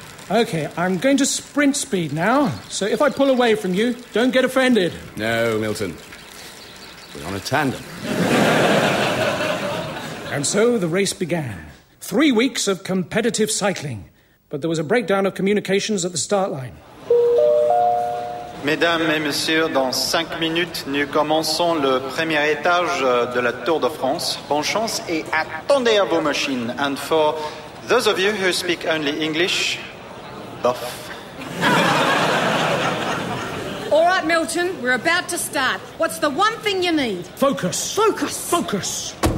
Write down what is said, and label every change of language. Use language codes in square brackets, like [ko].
[en] Okay, I'm going to sprint speed now, so if I pull away from you, don't get offended. No, Milton. We're on a tandem. And so the race began. 3 weeks of competitive cycling. But there was a breakdown of communications at the start line. [fr] Mesdames et messieurs, dans 5 minutes, nous commençons le premier étage de la Tour de France. Bonne chance et attendez à vos machines. [en] And for those of you who speak only English, buff. All right, Milton, we're about to start. What's the one thing you need? Focus. Focus. Focus.